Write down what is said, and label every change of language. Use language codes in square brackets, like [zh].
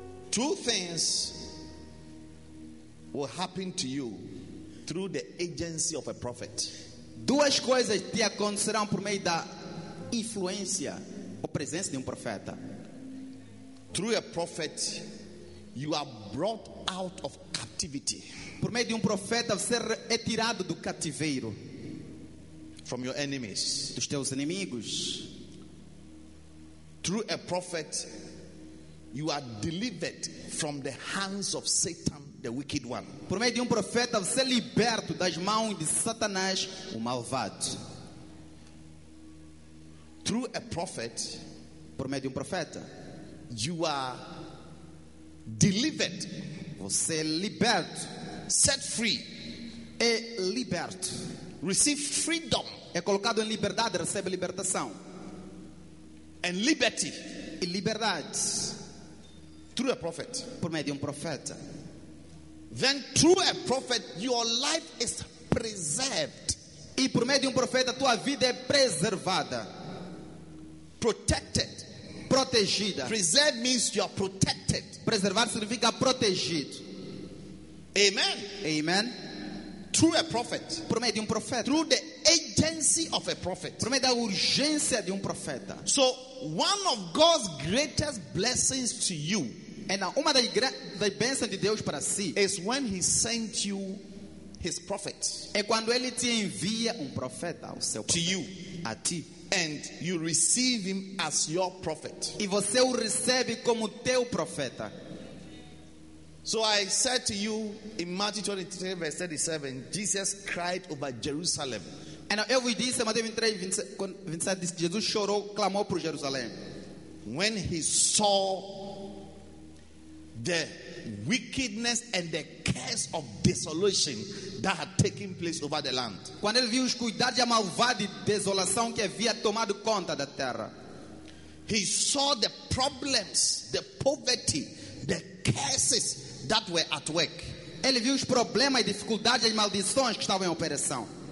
[en] two things will happen to you through the agency of a prophet. [pt] Duas coisas te acontecerão por meio da influência ou presença de profeta. [en] Through a prophet, you are brought out of captivity. [pt] Por meio de profeta, você é tirado do cativeiro. [en] From your enemies. [pt] Dos teus inimigos. [en] Through a prophet, you are delivered from the hands of Satan, the wicked one. [pt] Por meio de profeta, você é liberto das mãos de Satanás, o malvado. [en] Through a prophet, [pt] por meio de profeta, [en] you are delivered. [pt] Você é liberto. [en] Set free. [pt] É liberto. [en] Receive freedom. [pt] É colocado em liberdade, recebe libertação. [en] And liberty. [pt] E liberdade. [en] Through a prophet. [pt] Por meio de profeta. [en] Then through a prophet, your life is preserved. [pt] E por meio de profeta, tua vida é preservada. [en] Protected. [pt] Protegida. [en] Preserved means you are protected. [pt] Preservar significa protegido. Amen. Amen. [en] Through a prophet. [pt] Por meio de profeta. [en] Through the agency of a prophet. [pt] Por meio da urgência de profeta. [en] So, one of God's greatest blessings to you. [pt] And uma da bênção de Deus para si. [en] Is when he sent you his prophet. [pt] É quando ele te envia profeta, o seu profeta. [en] To you. [pt] A ti. [en] And you receive him as your prophet. [pt] E você o recebe como teu profeta. [en] So I said to you in Matthew 23, verse 37, Jesus cried over Jerusalem. [pt] And eu vos disse em Mateus 23:27, Jesus chorou, clamou por Jerusalém. [en] When he saw the wickedness and the curse of desolation that had taken place over the land. [pt] Quando ele viu os cuidados e a malvada desolação que havia tomado conta da terra. [en] He saw the problems, the poverty, the curses that were at work. [pt] Ele viu os problemas, as dificuldades, as maldições que estavam em operação.